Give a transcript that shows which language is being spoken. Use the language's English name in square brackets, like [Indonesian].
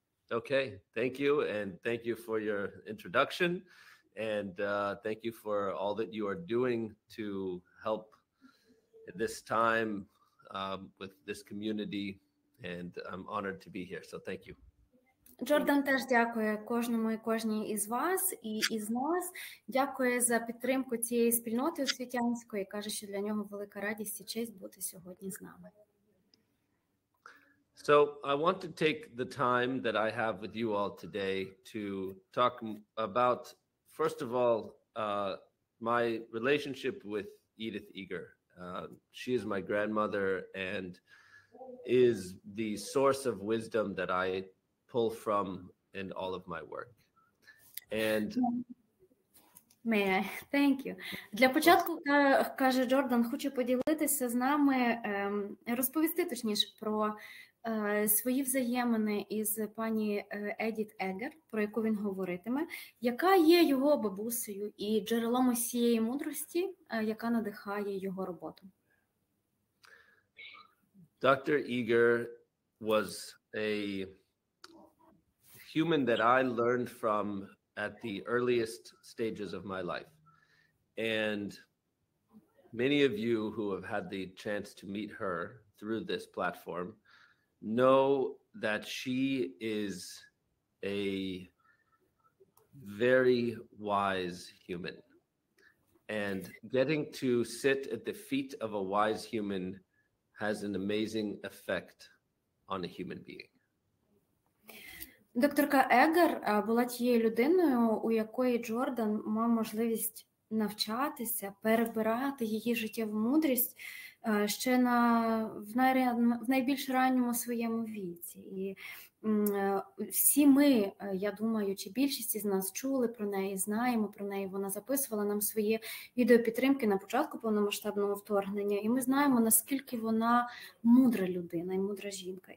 [English] Okay, thank you, and thank you for your introduction, and thank you for all that you are doing to help this time with this community, and I'm honored to be here, so thank you. [Ukrainian] Джордан теж дякує кожному і кожній із вас і із нас. Дякує за підтримку цієї спільноти освітянської. Каже, що для нього велика радість і честь бути сьогодні з нами. [English] So, I want to take the time that I have with you all today to talk about, first of all, my relationship with Edith Eger. She is my grandmother and is the source of wisdom that I pull from in all of my work. And may I? Thank you. [Ukrainian] Для початку, каже Джордан, хочу поділитися з нами, розповісти, точніше, про свої взаємини із пані Едіт Егер, про яку він говоритиме, яка є його бабусею і джерелом усієї мудрості, яка надихає його роботу. Доктор Егер [English] was a human that I learned from at the earliest stages of my life. And many of you who have had the chance to meet her through this platform know that she is a very wise human. And getting to sit at the feet of a wise human has an amazing effect on a human being. [Ukrainian] Докторка Егер була тією людиною, у якої Джордан мав можливість навчатися, перебирати її життєву мудрість ще в найбільш ранньому своєму віці. І всі ми, я думаю, чи більшість із нас чули про неї, знаємо про неї, вона записувала нам свої відеопідтримки на початку повномасштабного вторгнення, і ми знаємо, наскільки вона мудра людина і мудра жінка.